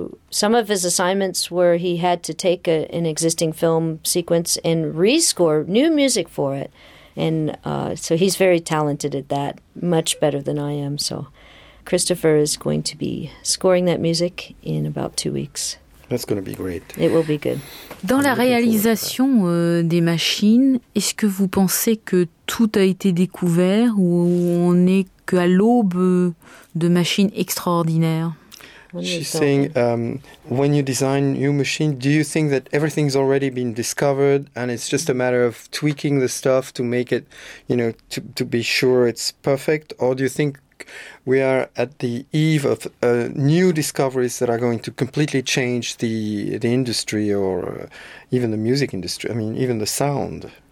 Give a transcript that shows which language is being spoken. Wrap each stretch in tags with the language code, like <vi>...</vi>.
<en>Some of his assignments were he had to take an existing film sequence and rescore new music for it. And so he's very talented at that, much better than I am. So Christopher is going to be scoring that music in about 2 weeks. That's going to be great. It will be good.</en> <fr>Dans la réalisation des machines, est-ce que vous pensez que tout a été découvert ou on n'est qu'à l'aube de machines extraordinaires?</fr> <en>She's saying, when you design new machine, do you think that everything's already been discovered and it's just a matter of tweaking the stuff to make it, you know, to be sure it's perfect? Or do you think we are at the eve of new discoveries that are going to completely change the industry or even the music industry, I mean, even the sound?</en>